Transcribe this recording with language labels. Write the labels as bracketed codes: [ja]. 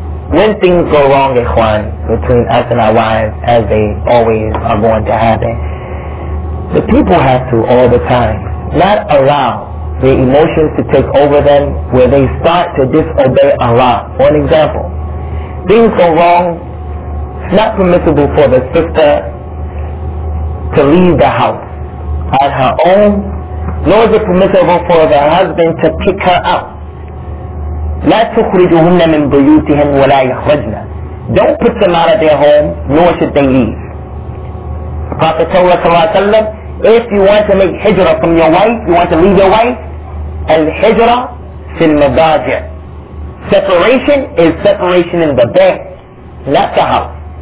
[en] When things go wrong, ikhwan, between us and our wives, as they always are going to happen, the people have to, all the time, not allow their emotions to take over them where they start to disobey Allah. For an example, things go wrong, it's not permissible for the sister to leave the house on her own, nor is it permissible for the husband to kick her out. [ar] لا تخرجهن من بيوتهن ولا يخرجن. [en] Don't put them out of their home, nor should they leave. Prophet told us, sallallahu alayhi wa sallam, if you want to make hijrah from your wife, you want to leave your wife, [ar] al-hijrah fi al-madaji'. [en] Separation is separation in the bed, not the house.